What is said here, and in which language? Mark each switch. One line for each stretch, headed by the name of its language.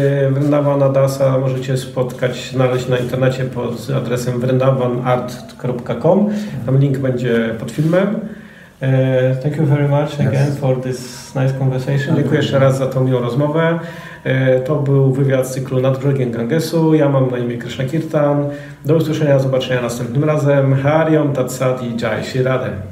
Polish: Vrindavan Adasa możecie spotkać, znaleźć na internecie pod adresem vrindavanart.com. Tam link będzie pod filmem.
English: Thank you very much again for this nice conversation.
Polish: Dziękuję jeszcze raz za tą miłą rozmowę. To był wywiad z cyklu Nad brzegiem Gangesu. Ja mam na imię Krishna Kirtan. Do usłyszenia, zobaczenia następnym razem. Hari Om Tat Sat i Jai Shri Radhe.